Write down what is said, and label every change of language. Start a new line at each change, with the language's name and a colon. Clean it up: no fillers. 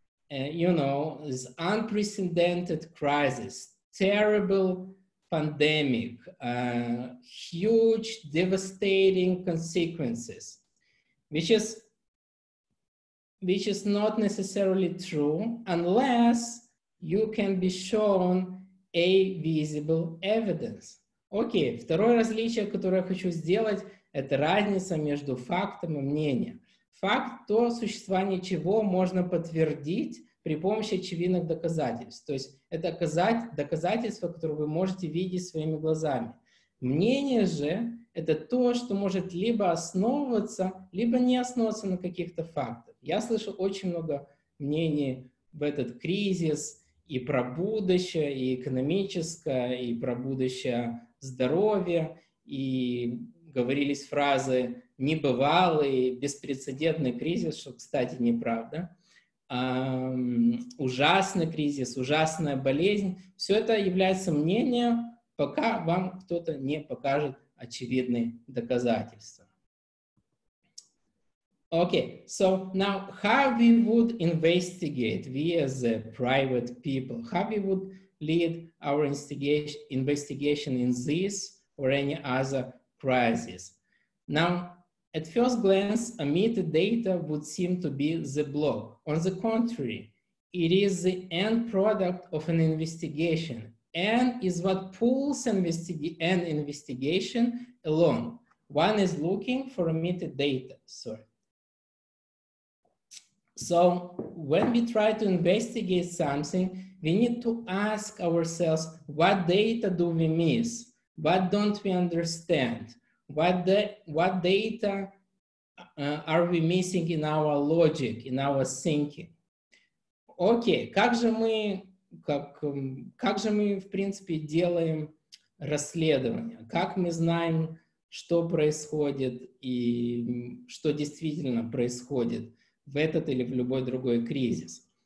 English: you know, this unprecedented crisis, terrible pandemic, huge devastating consequences, which is not necessarily true unless you can be shown a visible evidence.
Russian: Окей, второе различие, которое я хочу сделать, это разница между фактом и мнением. Факт – то существование чего можно подтвердить при помощи очевидных доказательств. То есть это доказательства, которые вы можете видеть своими глазами. Мнение же – это то, что может либо основываться, либо не основываться на каких-то фактах. Я слышал очень много мнений в этот кризис и про будущее, и экономическое, и про будущее здоровья, и говорились фразы «небывалый», «беспрецедентный кризис», что, кстати, неправда, «ужасный кризис», «ужасная болезнь». Все это является мнением, пока вам кто-то не покажет очевидные доказательства.
English: Okay, so now how we would investigate, we as a private people, how we would lead our investigation in this or any other crisis. Now, at first glance, omitted data would seem to be the block. On the contrary, it is the end product of an investigation and is what pulls an investigation along. One is looking for omitted data, sorry. So when we try to investigate something, we need to ask ourselves, what data do we miss? What don't we understand? What data are we missing in our logic, in our thinking?
Russian: Окей, как же мы в принципе делаем расследование? Как мы знаем, что происходит и что действительно происходит в этот или в любой другой кризис?